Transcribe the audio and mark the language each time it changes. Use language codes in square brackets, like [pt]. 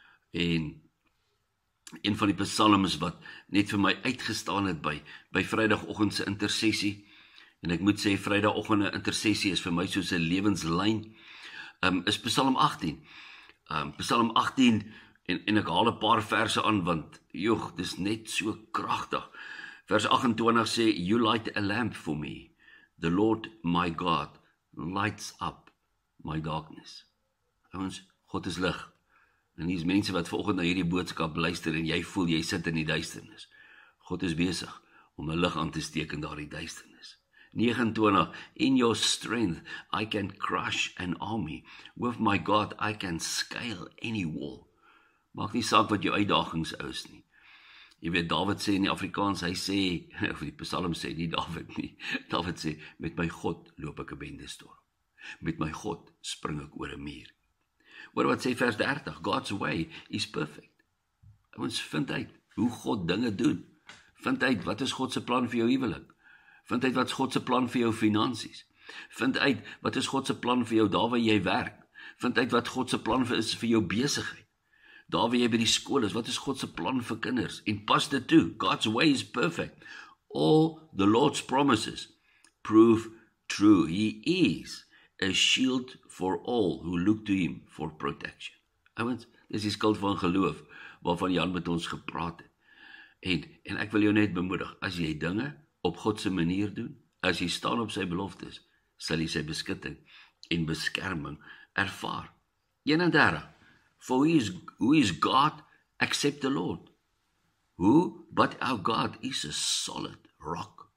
[af] En een van die psalms wat net vir my uitgestaan het by vrydagoggend se intersessie, en ek moet sê, vrydagoggend se intersessie is vir my soos 'n lewenslyn, is psalm 18. Psalm 18, en ek haal 'n paar verse aan, want joh, dis net so kragtig. Vers 28 sê, [en] you light a lamp for me, the Lord my God lights up my darkness. [af] Ons, God is lig. En hier is mense wat volgende hierdie boodskap luister en jy voel jy sit in die duisternis. God is besig om 'n lig aan te steek in daardie duisternis. [en] 29, in your strength I can crush an army. With my God I can scale any wall. [af] Maak nie saak wat jou uitdagings is nie. Jy weet, David sê in die Afrikaans, hy sê, of die psalm sê nie David nie, David sê, met my God loop ek 'n bendestorm. Met my God spring ek oor 'n muur. Oor wat sê vers 30, [en] God's way is perfect. [af] Ons vind uit hoe God dinge doen. Vind uit wat is God se plan vir jou huwelik. Vind uit wat is God se plan vir jou finansies. Vind uit wat is God se plan vir jou daar waar jy werk. Vind uit wat God se plan is vir jou besigheid. Daar waar jy by die skool is, wat is God se plan vir kinders? En pas dit toe, [en] God's way is perfect. All the Lord's promises prove true. He is a shield for all who look to him for protection. [af] Ouens, dis die skild van geloof waarvan Jan met ons gepraat het. En ek wil jou net bemoedig, as jy dinge op God se manier doen, as jy staan op sy beloftes, sal jy sy beskutting en beskerming ervaar. [en] 31. For who is God except the Lord? Who but our God is a solid rock.